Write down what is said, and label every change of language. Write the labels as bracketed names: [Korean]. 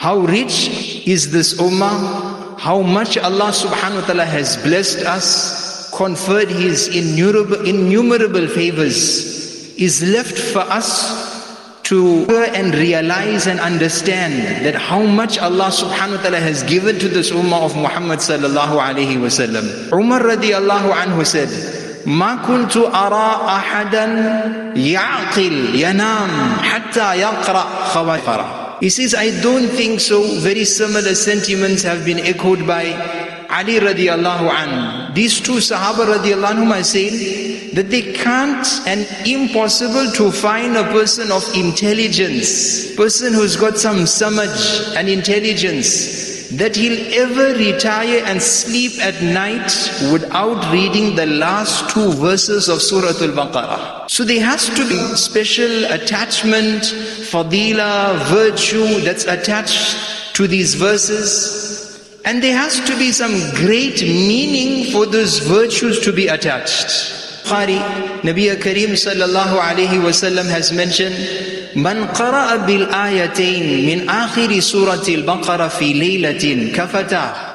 [English] How rich is this ummah? How much Allah subhanahu wa ta'ala has blessed us, conferred His innumerable favors, is left for us to hear and realize and understand that how much Allah subhanahu wa ta'ala has given to this ummah of Muhammad sallallahu alayhi wa sallam. Umar radiallahu anhu said, [Arabic] ما كنت أرى أحدا يعقل ينام حتى يقرأ خواتر. [English] He says, I don't think so. Very similar sentiments have been echoed by Ali radiallahu anhu. These two Sahaba radiallahu anhu are saying that they can't and impossible to find a person of intelligence, person who's got some samaj and intelligence, that he'll ever retire and sleep at night without reading the last two verses of Surah Al-Baqarah. So there has to be special attachment, fadila, virtue that's attached to these verses. And there has to be some great meaning for those virtues to be attached. Bukhari, Nabiya Kareem sallallahu alayhi wa sallam has mentioned, [Arabic] من قرأ بالآيتين من آخر سورة البقرة في ليلة كفتا.